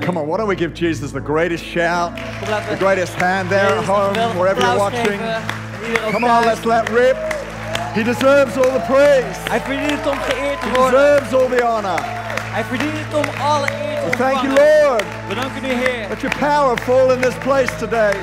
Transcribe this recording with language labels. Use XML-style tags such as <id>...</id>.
<en>Come on, why don't we give Jesus the greatest shout, the greatest hand there at home, wherever you're watching. Come on, let's let rip. He deserves all the praise.</en> <nl>Hij verdient het om geëerd te worden.</nl> <en>He deserves all the honor.</en> <nl>Hij verdient het om alle eer te ontvangen.</nl> <en>Thank you, Lord.</en> <nl>We danken u, Heer.</nl> <en>Let your power fall in this place today.</en>